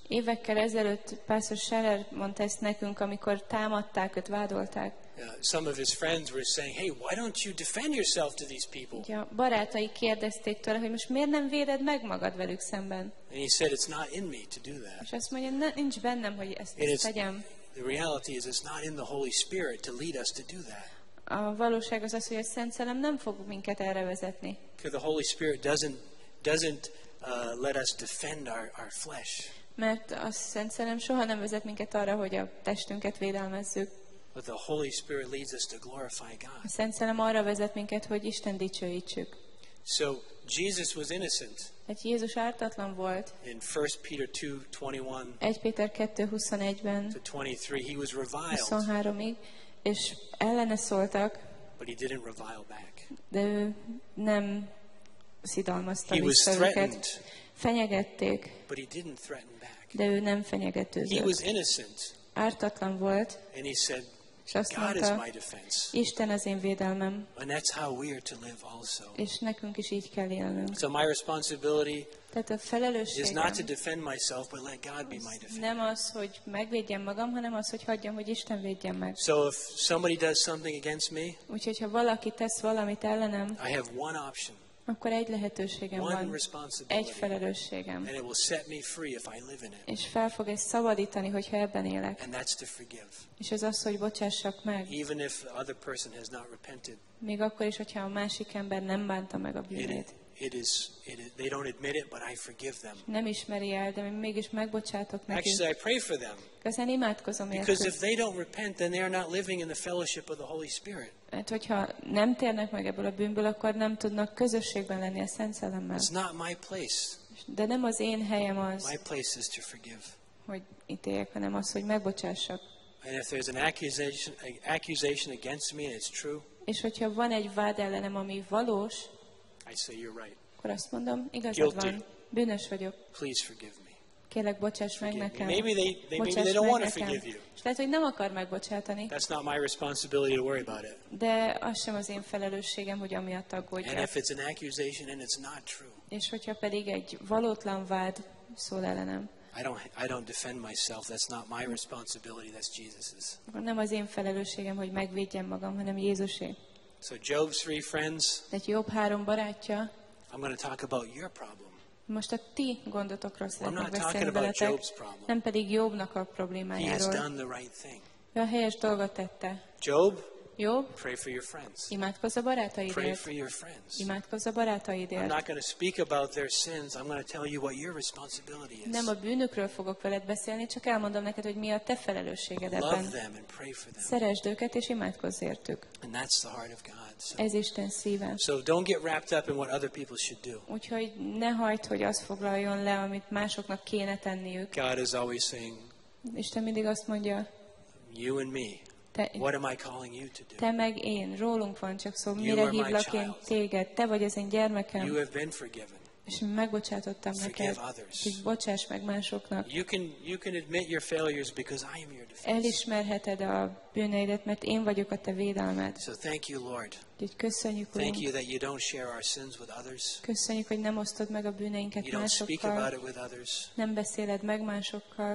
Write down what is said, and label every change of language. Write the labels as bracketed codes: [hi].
[hu] Évekkel ezelőtt Pastor Scherer mondta ezt nekünk, amikor támadták, őt vádolták. [en] Some of his friends were saying, "Hey, why don't you defend yourself to these people?" [hu] Ja, barátai kérdezték tőle, hogy most miért nem véded meg magad velük szemben. [en] And he said, "It's not in me to do that." [hu] És azt mondja, nincs bennem, hogy ezt tegyem. [en] The reality is, it's not in the Holy Spirit to lead us to do that. [hu] A valóság az, hogy a Szent Szellem nem fog minket erre vezetni. [en] Because the Holy Spirit doesn't let us defend our flesh. [hu] Mert a Szent Szellem soha nem vezet minket arra, hogy a testünket védelmezzük. [en] But the Holy Spirit leads us to glorify God. [hu] A Szent Szellem arra vezet minket, hogy Isten dicsőítsük. [en] So Jesus was innocent. [hu] Hát Jézus ártatlan volt. [en] In 1 Peter 2:21. [hu] 1 Péter 2:21-ben. [en] To 23 he was reviled. [hu] 23-ig és ellene szóltak. [en] But he didn't revile back. [hu] De nem szidalmazta vissza őket. Fenyegették. [en] But he didn't threaten back. [hu] De ő nem fenyegetőzött. [en] He was innocent. [hu] Ártatlan volt. [en] And he said, [hu] és azt mondta, [en] God is my defense. [hu] Isten az én védelmem. [en] And that's how we are to live also. [hu] És nekünk is így kell élnünk. [en] So my responsibility [hu] tehát a felelősségem [en] is not to defend myself, but let God be my defense. [hu] Nem az, hogy megvédjem magam, hanem az, hogy hagyjam, hogy Isten védjen meg. [en] So if somebody does something against me, [hu] úgyhogy ha valaki tesz valamit ellenem, [en] I have one option. [hu] Akkor egy lehetőségem [en] one [hu] van, egy felelősségem. [en] And it will set me free if I live in it. [hu] És fel fog ezt szabadítani, hogyha ebben élek. [en] And that's to forgive. [hu] És ez az, hogy bocsássak meg. [en] Even if the other person has not repented. [hu] Még akkor is, hogyha a másik ember nem bánta meg a bűnét. [en] They don't admit it, but I forgive them. [hu] Nem ismeri el, de mégis megbocsátok nekik. [en] Actually, I pray for them. [hu] Köszön imádkozom értük. [en] Because if they don't repent, then they are not living in the fellowship of the Holy Spirit. [hu] Hát, hogyha nem térnek meg ebből a bűnből, akkor nem tudnak közösségben lenni a Szent Szellemmel. [en] It's not my place. [hu] De nem az én helyem az. [en] My place is to forgive. [hu] Hogy ítéljek, hanem az, hogy megbocsássak. [en] And if there's an accusation against me, and it's true. [hu] És hogyha van egy vád ellenem, ami valós. [en] I say you're right. [hu] Akkor azt mondom, igazad van. Bűnös vagyok. [en] Please forgive me. [hu] Kérlek, bocsáss meg nekem. [en] Maybe they don't want to forgive you. [hu] És lehet, hogy nem akar megbocsátani. [en] That's not my responsibility to worry about it. [hu] De az sem az én felelősségem, hogy amiatt aggódjak. [en] And if it's an accusation and it's not true. [hu] És hogyha pedig egy valótlan vád szól ellenem. [en] I don't defend myself. That's not my responsibility. That's Jesus's. [hu] Nem az én felelősségem, hogy megvédjem magam, hanem Jézusé. [en] So Job's three friends. [hu] Tehát Jobb három barátja. [en] I'm going to talk about your problem. [hu] Most a ti gondotokról szeretnék beszélni. [en] I'm not talking about Job's problem. [hu] Nem pedig Jobbnak a problémájáról. [en] He has done the right thing. [hu] Ő a helyes dolgot tette. [en] Job. [hu] Jobb. [en] Pray for your friends. [hu] Imádkozz a barátaidért. [en] Pray for your friends. [hu] Imádkozz a barátaidért. [en] I'm not going to speak about their sins. I'm going to tell you what your responsibility is. [hu] Nem a bűnökről fogok veled beszélni, csak elmondom neked, hogy mi a te felelősséged ebben. [en] Love them and pray for them. [hu] Szeresd őket és imádkozz értük. [en] And that's the heart of God. So. [hu] Ez Isten szíve. [en] So don't get wrapped up in what other people should do. [hu] Úgyhogy ne hajt, hogy az foglaljon le, amit másoknak kéne tenniük. [en] God is always saying. [hu] Isten mindig azt mondja. [en] You and me. What am I calling you to do? [hu] Te meg én, rólunk van csak szó, mire hívlak én téged? Te vagy az én gyermekem. [en] You have been forgiven. [hu] és megbocsátottam neked, hogy bocsáss meg másoknak. [en] You can admit your failures because I am your defense. [hu] Elismerheted a bűneidet, mert én vagyok a te védelmed. [en] So thank you, Lord. [hu] Köszönjük, [en] thank you that you don't share our sins with others. [hu] Köszönjük, hogy nem osztod meg a bűneinket másokkal. [en] You don't speak about it with others. [hu] Nem beszéled meg másokkal.